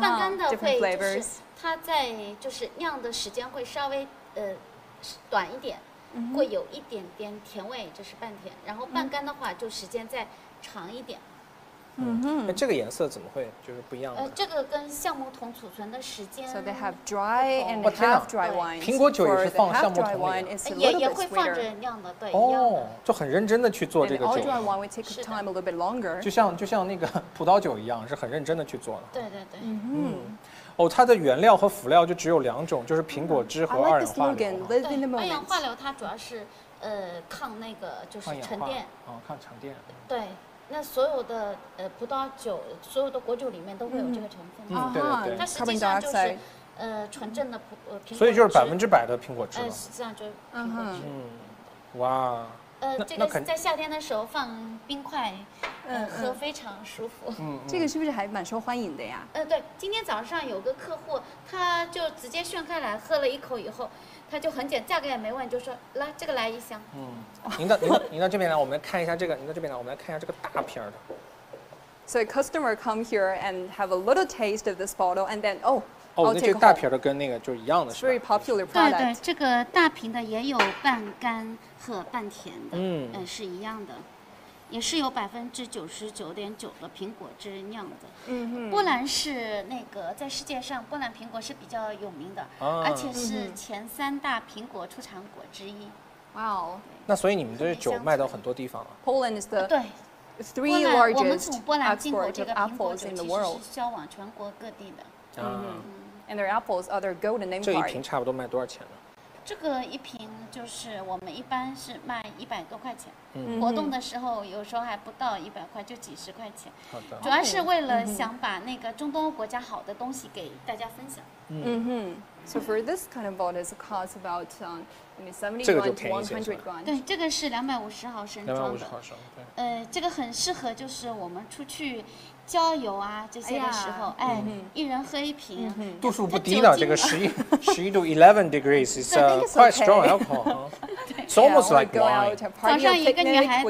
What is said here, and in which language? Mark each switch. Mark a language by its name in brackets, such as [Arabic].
[Chinese] 半干的会就是它在就是酿的时间会稍微短一点， mm-hmm. 会有一点点甜味，就是半甜。然后半干的话，就时间再长一点。嗯哼，这个颜色怎么会就是不一样的？这个跟橡木桶储存的时间。 [English] So they have dry and they have dry wines. [Chinese] 苹果酒也是放橡木桶里的。也会放着酿的，对，一样的。哦，就很认真的去做这个酒。 [English] And all dry wine will take time a little bit longer. [Chinese] 就像那个葡萄酒一样，是很认真的去做的。对对对。嗯。哦，它的原料和辅料就只有两种，就是苹果汁和二氧化硫。 [English] I like the slogan, live in the moment. [Chinese] 二氧化硫它主要是抗那个就是沉淀。哦，抗沉淀。对。那所有的葡萄酒，所有的果酒里面都会有这个成分。嗯，对对对。它实际上就是纯正的苹果汁。所以就是100%的苹果汁。实际上就是苹果汁。嗯，哇。这个在夏天的时候放冰块，喝非常舒服。嗯，这个是不是还蛮受欢迎的呀？对，今天早上有个客户，他就直接炫开来喝了一口以后。他就很简，价格也没问，就说来这个来一箱。嗯，您到这边来，我们看一下这个。您到这边来，我们来看一下这个大瓶的。 [English] So a customer come here and have a little taste of this bottle, and then I'll take [Chinese] 那这个大瓶的跟那个就是一样的，是吧 [English] ？Very popular product. [Chinese] 对对，这个大瓶的也有半干和半甜的，是一样的，也是有99.9%的苹果汁酿的。嗯哼，波兰是那个在世界上波兰苹果是比较有名的、啊、而且是前三大苹果出产国之一。哇、wow、那所以你们这酒卖到很多地方了。 [English] Poland is the [Chinese] 对 [English] three largest [Chinese] 我们从波兰进口这个苹果酒其实是销往全国各地的。 [English] 嗯 and their apples are their golden name card。 [Chinese] 这一瓶差不多卖多少钱呢？这个一瓶就是我们一般是卖100多块钱、嗯、活动的时候有时候还不到100块就几十块钱。好的，主要是为了想把那个中东国家好的东西给大家分享。嗯哼、嗯、 [English] So for this kind of bottle it costs about 70 to 100 grand。 [Chinese] 对，这个是250毫升装的。 250毫升，对。这个很适合就是我们出去郊游啊这些的时候，哎、嗯，一人喝一瓶，嗯、度数不低呢，这个11度 [English] 11 degrees is quite strong alcohol、 huh?。 It's almost like wine. [Chinese] 早上一个女孩子，